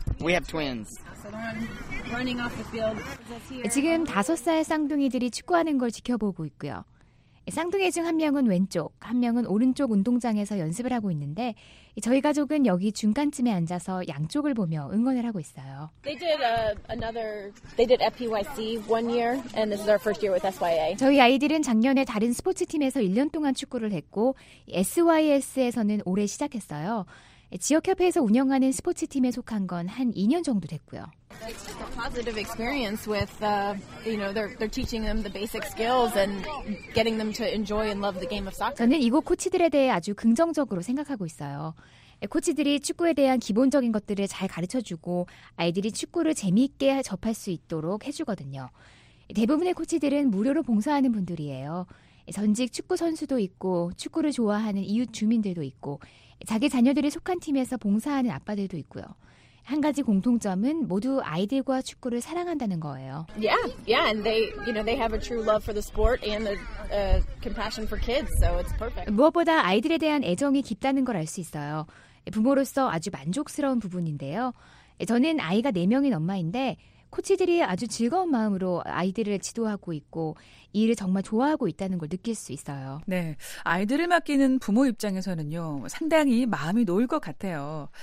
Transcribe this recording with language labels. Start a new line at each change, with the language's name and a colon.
English: We have twins.
Korean: 지금 다섯 살 쌍둥이들이 축구하는 걸 지켜보고 있고요. 쌍둥이 중 한 명은 왼쪽, 한 명은 오른쪽 운동장에서 연습을 하고 있는데 저희 가족은 여기 중간쯤에 앉아서 양쪽을 보며 응원을 하고 있어요.
English: They did FPYC one year and this is our first year with SYA.
Korean: 저희 아이들은 작년에 다른 스포츠팀에서 1년 동안 축구를 했고 SYS에서는 올해 시작했어요. 지역협회에서 운영하는 스포츠팀에 속한 건 한 2년 정도 됐고요.
English: It's a positive experience with, you know, they're teaching them the basic skills and getting them to enjoy and love the game of soccer.
Korean: 저는 이곳 코치들에 대해 아주 긍정적으로 생각하고 있어요. 코치들이 축구에 대한 기본적인 것들을 잘 가르쳐주고 아이들이 축구를 재미있게 접할 수 있도록 해주거든요. 대부분의 코치들은 무료로 봉사하는 분들이에요. 전직 축구 선수도 있고 축구를 좋아하는 이웃 주민들도 있고 자기 자녀들이 속한 팀에서 봉사하는 아빠들도 있고요. 한 가지 공통점은 모두 아이들과 축구를 사랑한다는 거예요.
English: Yeah, yeah, and they, you know, they have a true love for the sport and the compassion for kids, so it's perfect.
Korean: 무엇보다 아이들에 대한 애정이 깊다는 걸 알 수 있어요. 부모로서 아주 만족스러운 부분인데요. 저는 아이가 4명인 엄마인데 코치들이 아주 즐거운 마음으로 아이들을 지도하고 있고 이 일을 정말 좋아하고 있다는 걸 느낄 수 있어요. 네, 아이들을 맡기는 부모 입장에서는요 상당히 마음이 놓일 것 같아요.